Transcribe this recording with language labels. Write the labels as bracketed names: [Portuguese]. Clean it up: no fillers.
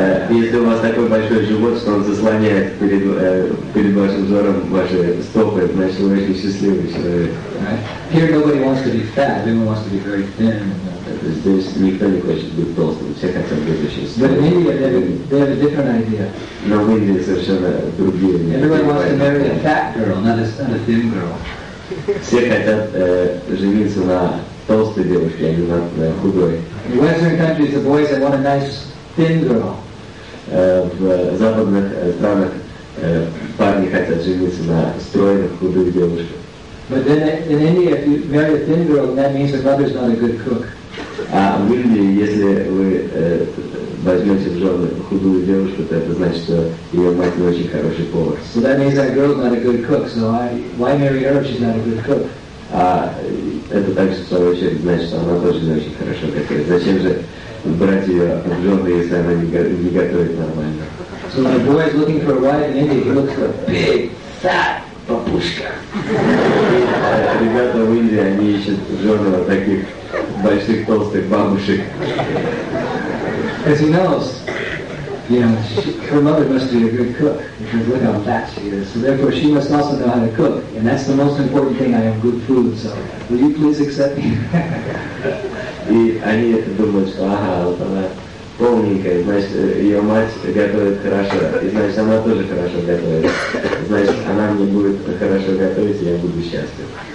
[Russian] Если у вас такой большой живот, что он заслоняет перед вашим взором ваши стопы, значит вы очень счастливый человек. [English] Here nobody wants to be fat, everyone wants to be very thin. [Russian] Здесь никто не хочет быть толстым, все хотят быть очень слабым. [English] But in India they have a different idea. [Russian] Но в Индии совершенно другие. [English] Everyone wants to marry a fat girl, not a thin girl. [Russian] Все хотят жениться на толстой девушке, а не на худой. [English] In Western countries the boys want a nice thin girl. [Russian] В западных странах парни хотят жениться на стройных худых девушках. [English] But then in India if you marry a thin girl, then that means your mother's not a good cook. [Russian] А в Индии, если вы возьмете в жены худую девушку, то это значит, что ее мать не очень хороший повар. [English] So that means that girl's not a good cook, so why marry her if she's not a good cook? [Russian] А это также, в свою очередь, значит, что она тоже не очень хорошо готовит. Зачем же брать ее в жены, если она не готовит нормально? [English] So when a boy is looking for a wife in India, he looks for a big, fat [Russian] бабушка. Ребята в Индии, они ищут жены вот таких... больших толстых бабушек. [English] Because he knows, her mother must be a good cook, because look how fat she is. So therefore she must also know how to cook. And that's the most important thing, I have good food, so will you please accept me? [Russian] И они думают, что ага, вот она полненькая, значит, ее мать готовит хорошо, и значит, она тоже хорошо готовит. Значит, она мне будет хорошо готовить, и я буду счастлив.